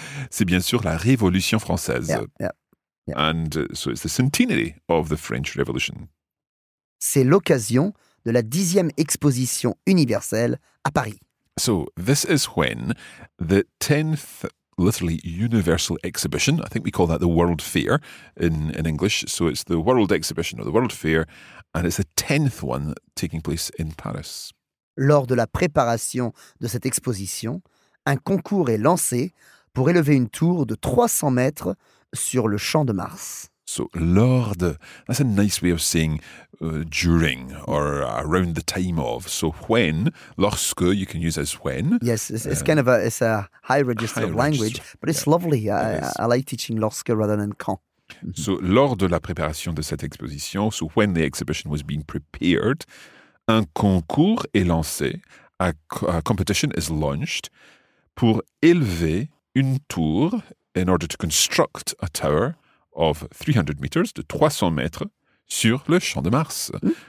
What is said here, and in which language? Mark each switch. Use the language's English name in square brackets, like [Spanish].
[French] C'est bien sûr la Révolution française. [English] Yeah. And so it's the centenary of the French Revolution. [French] C'est l'occasion de la 10e exposition universelle à Paris. [English] So this is when the 10th literally Universal Exhibition. I think we call that the World Fair in English. So it's the World Exhibition or the World Fair, and it's the 10th one taking place in Paris. [French] Lors de la préparation de cette exposition, un concours est lancé pour élever une tour de 300 mètres sur le Champ de Mars. [English] So, lors de, that's a nice way of saying during or around the time of. So, when, lorsque, you can use as when. Yes, it's kind of a high register of language, but it's lovely. I like teaching lorsque rather than quand. So, [French] lors de la préparation de cette exposition, [English] so when the exhibition was being prepared, [French] un concours est lancé, [English] a competition is launched, [French] pour élever une tour, [English] in order to construct a tower, of 300 meters, [French] de 300 mètres, sur le Champ de Mars. [English] Mm.